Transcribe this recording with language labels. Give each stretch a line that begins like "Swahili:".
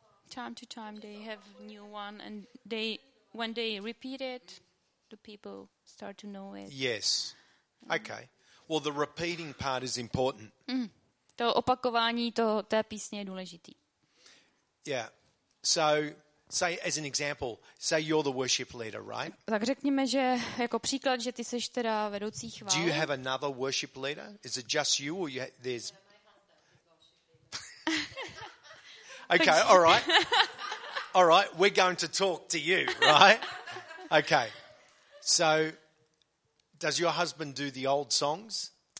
English: Time to time they have new one and when they repeat it, the people start to know it. Yes. Okay. Well, the repeating part is important. Mm.
Czech: To opakování toho, té písně je důležitý.
English: Yeah. So say as an example, say you're the worship leader, right?
Czech: Tak řekněme, že jako příklad, že ty seš teda vedoucí chvály.
English: Do you have another worship leader? Is it just you or you there's Okay, all right. All right, we're going to talk to you, right? Okay. So does your husband do the old songs?